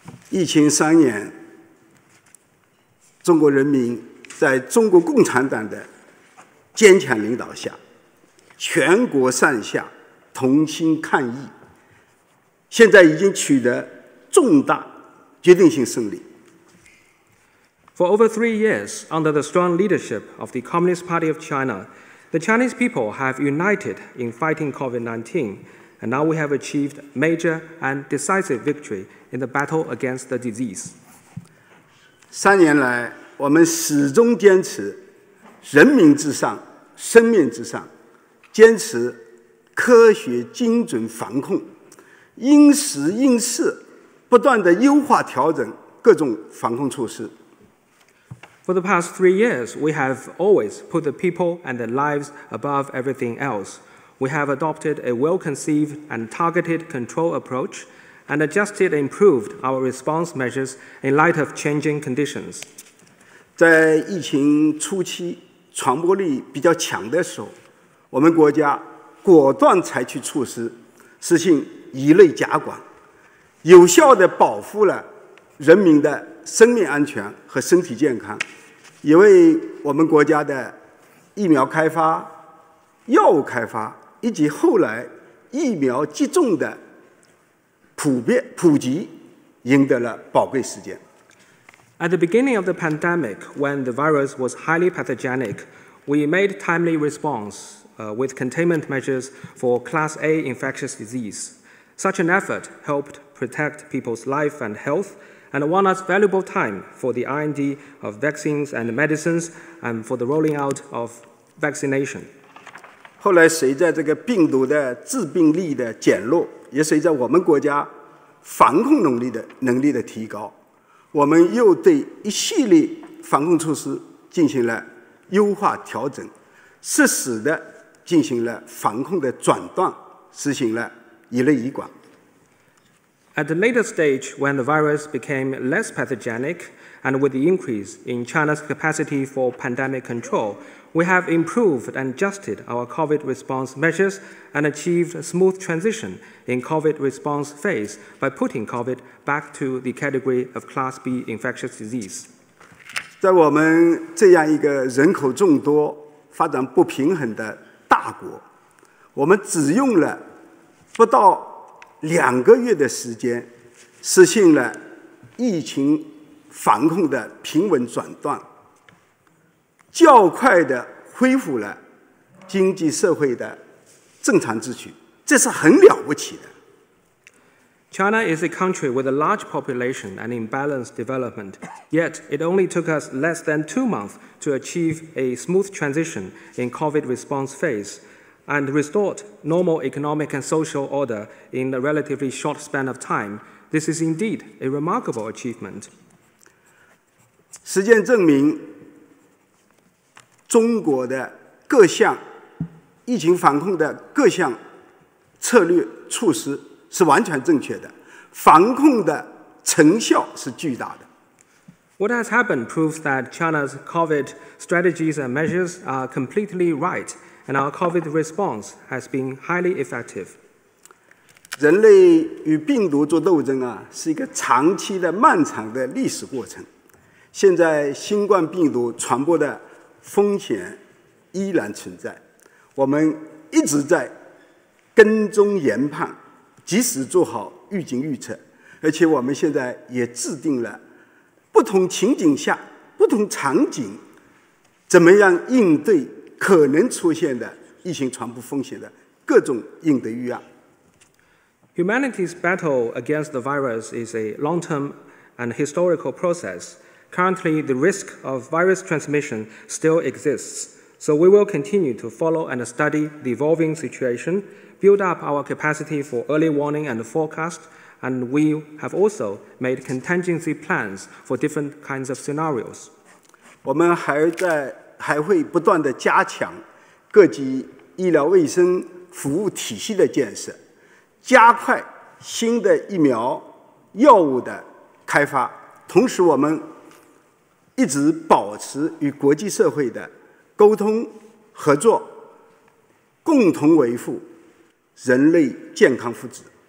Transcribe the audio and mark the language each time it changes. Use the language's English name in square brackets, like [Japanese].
[Chinese] 疫情三年，中国人民在中国共产党的坚强领导下。全国上下同心抗疫，现在已经取得重大决定性胜利。 [English] For over 3 years, under the strong leadership of the Communist Party of China, the Chinese people have united in fighting COVID-19, and now we have achieved major and decisive victory in the battle against the disease. [Chinese] 三年来，我们始终坚持人民至上、生命至上。坚持科学精准防控，因时因势不断地优化调整各种防控措施。 [English] For the past 3 years, we have always put the people and the lives above everything else. We have adopted a well-conceived and targeted control approach and adjusted and improved our response measures in light of changing conditions. [Chinese] 在疫情初期传播力比较强的时候，我们国家果断采取措施，实行一类加管，有效地保护了人民的生命安全和身体健康，也为我们国家的疫苗开发、药物开发以及后来疫苗接种的普及赢得了宝贵时间。 [English] At the beginning of the pandemic, when the virus was highly pathogenic, we made timely response with containment measures for Class A infectious disease. Such an effort helped protect people's life and health and won us valuable time for the R&D of vaccines and medicines and for the rolling out of vaccination. [Chinese] 后来随着这个病毒的致病力的减弱，也随着我们国家防控能力的提高，我们又对一系列防控措施进行了优化调整，适时地进行了防控的转段，实行了一类一管。 [English] At the later stage, when the virus became less pathogenic and with the increase in China's capacity for pandemic control, we have improved and adjusted our COVID response measures and achieved a smooth transition in COVID response phase by putting COVID back to the category of Class B infectious disease. [Chinese] 在我们这样一个人口众多、发展不平衡的大国，我们只用了不到两个月的时间，实现了疫情防控的平稳转段，较快地恢复了经济社会的正常秩序，这是很了不起的。 [English] China is a country with a large population and imbalanced development, yet it only took us less than 2 months to achieve a smooth transition in COVID response phase. And restored normal economic and social order in a relatively short span of time. This is indeed a remarkable achievement. [Chinese] 实践证明，中国的各项疫情防控的各项策略措施是完全正确的，防控的成效是巨大的。 [English] What has happened proves that China's COVID strategies and measures are completely right. And our COVID response has been highly effective. [Chinese] 人类与病毒做斗争啊，是一个长期的、漫长的历史过程。现在新冠病毒传播的风险依然存在，我们一直在跟踪研判，及时做好预警预测，而且我们现在也制定了不同情景下、不同场景怎么样应对。可能出现的疫情传播风险的各种应对预案。 [English] Humanity's battle against the virus is a long-term and historical process. Currently, the risk of virus transmission still exists. So we will continue to follow and study the evolving situation, build up our capacity for early warning and forecast, and we have also made contingency plans for different kinds of scenarios. [Chinese] 我们还会不断地加强各级医疗卫生服务体系的建设，加快新的疫苗药物的开发，同时我们一直保持与国际社会的沟通合作，共同维护人类健康福祉。